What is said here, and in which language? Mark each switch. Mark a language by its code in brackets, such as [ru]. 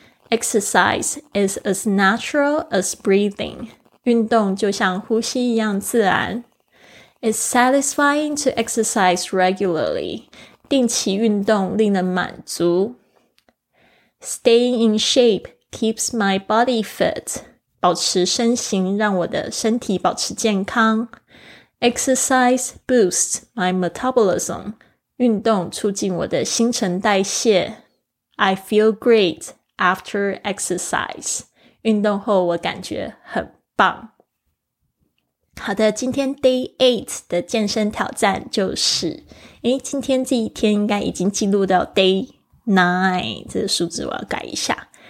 [en] Exercise is as natural as breathing， [zh] 运动就像呼吸一样自然。 [en] It's satisfying to exercise regularly. [zh] 定期运动令人满足。 [en] Staying in shape keeps my body fit. [zh] 保持身形让我的身体保持健康。 [en] Exercise boosts my metabolism. [zh] 运动促进我的新陈代谢。 [en] I feel great after exercise. [zh] 运动后我感觉很棒。好的，今天 Day 8的健身挑战就是，今天这一天应该已经进入到 Day 9，这个数字我要改一下。